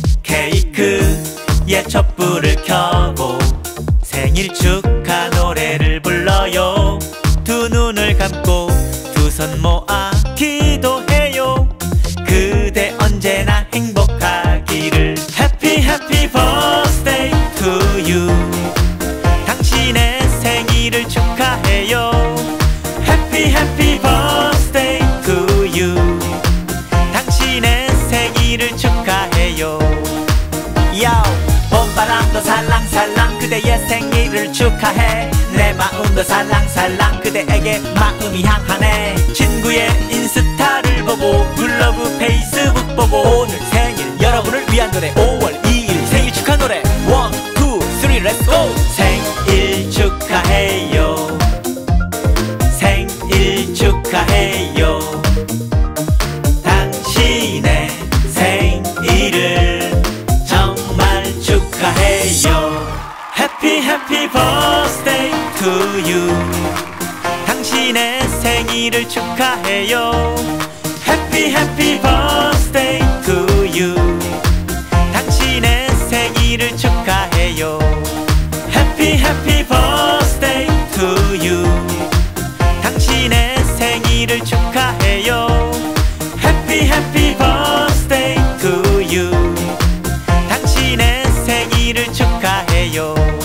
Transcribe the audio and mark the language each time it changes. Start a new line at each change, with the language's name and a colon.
Korean: 케이크에 촛불을 켜고 생일 축하 노래를 불러요. 두 눈을 감고 두 손 모아 기도해요. 그대 언제나 행복하기를.
English: Happy Happy Birthday to you.
Korean: 당신의 생일을 축하해요.
English: Happy Happy Birthday to you.
Korean: 당신의 생일을 축하해요. 야우. 봄바람도 살랑살랑 그대의 생일을 축하해. 내 마음도 살랑살랑 그대에게 마음이 향하네. 친구의 인스타를 보고 블로그 페이스북 보고 오늘 생일 여러분을 위한 노래 5월 2일 생일 축하 노래 1, 2, 3,
English: Let's go!
Korean: 생일 축하해요. 생일 축하해요. 당신의 생일을 정말 축하해요.
English: Happy Happy Birthday to you.
Korean: 당신의 생일을 축하해요.
English: Happy Happy Birthday to you.
Korean: 당신의 생일을 축하해요.
English: Happy Happy Birthday to you.
Korean: 당신의 생일을 축하해요.
English: Happy Happy Birthday to you.
Korean: 당신의 생일을 축하해요.